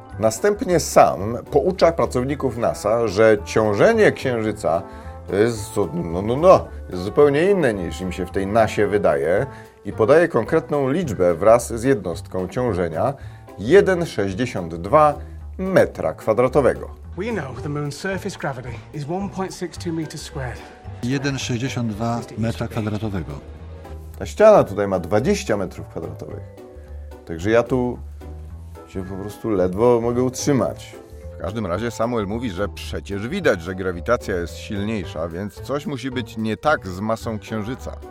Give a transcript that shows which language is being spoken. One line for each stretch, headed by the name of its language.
Polish: Następnie Sam poucza pracowników NASA, że ciążenie Księżyca jest zupełnie inne niż im się w tej nasie wydaje i podaje konkretną liczbę wraz z jednostką ciążenia 1,62 metra kwadratowego.
English: We know the moon's surface gravity is 1.62 meters squared.
Polish: 1,62 metra kwadratowego. Ta ściana tutaj ma 20 metrów kwadratowych. Także ja tu się po prostu ledwo mogę utrzymać. każdym razie Samuel mówi, że przecież widać, że grawitacja jest silniejsza, więc coś musi być nie tak z masą Księżyca.